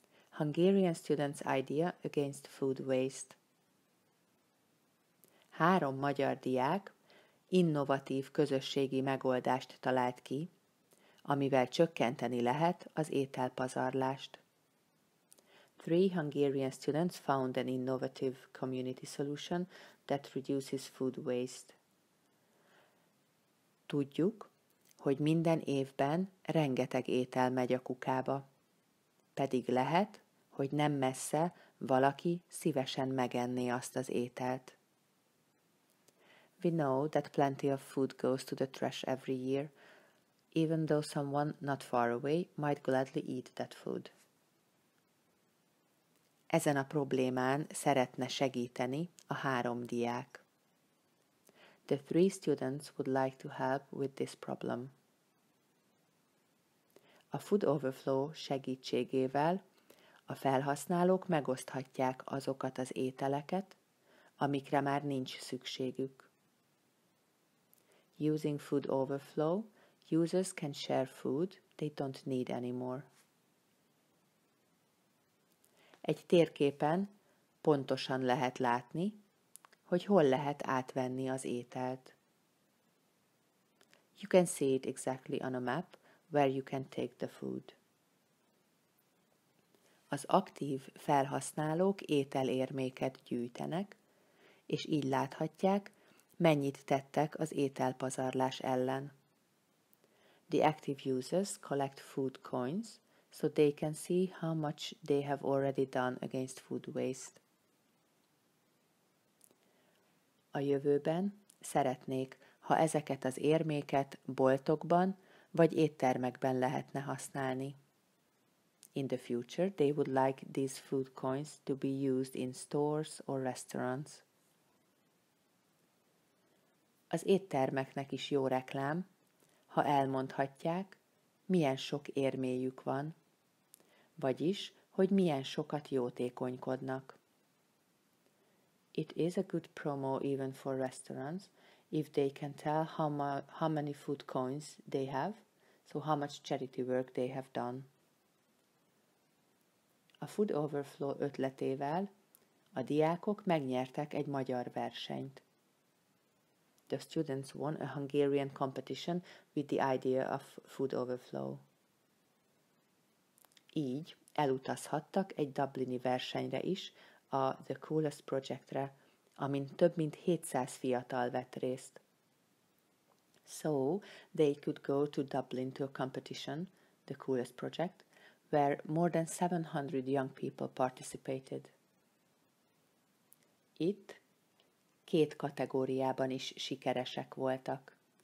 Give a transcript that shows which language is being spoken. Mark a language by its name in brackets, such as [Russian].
[English] Hungarian Students' Idea Against Food Waste. [Hungarian] Három magyar diák innovatív közösségi megoldást talált ki, amivel csökkenteni lehet az ételpazarlást. [English] Three Hungarian students found an innovative community solution that reduces food waste. [Hungarian] Tudjuk, hogy minden évben rengeteg étel megy a kukába. Pedig lehet, hogy nem messze valaki szívesen megenné azt az ételt. [English] We know that plenty of food goes to the trash every year, even though someone not far away might gladly eat that food. [Hungarian] Ezen a problémán szeretne segíteni a három diák. [English] The three students would like to help with this problem. [Hungarian] A Food Overflow segítségével a felhasználók megoszthatják azokat az ételeket, amikre már nincs szükségük. [English] Using Food Overflow, users can share food they don't need anymore. [Hungarian] Egy térképen pontosan lehet látni, hogy hol lehet átvenni az ételt. [English] You can see it exactly on a map where you can take the food. [Hungarian] Az aktív felhasználók ételérméket gyűjtenek, és így láthatják, mennyit tettek az ételpazarlás ellen. [English] The active users collect food coins, so they can see how much they have already done against food waste. [Hungarian] A jövőben szeretnék, ha ezeket az érméket boltokban vagy éttermekben lehetne használni. [English] In the future, they would like these food coins to be used in stores or restaurants. [Hungarian] Az éttermeknek is jó reklám, ha elmondhatják, milyen sok érméjük van, vagyis, hogy milyen sokat jótékonykodnak. [English] It is a good promo even for restaurants if they can tell how many food coins they have, so how much charity work they have done. [Hungarian] A Food Overflow ötletével a diákok megnyertek egy magyar versenyt. [English] The students won a Hungarian competition with the idea of Food Overflow. [Hungarian] Így elutazhattak egy dublini versenyre is, a The Coolest Project-re, amin több mint 700 fiatal vett részt. [English] So they could go to Dublin to a competition, The Coolest Project, where more than 700 young people participated. [Hungarian] Itt két kategóriában is sikeresek voltak.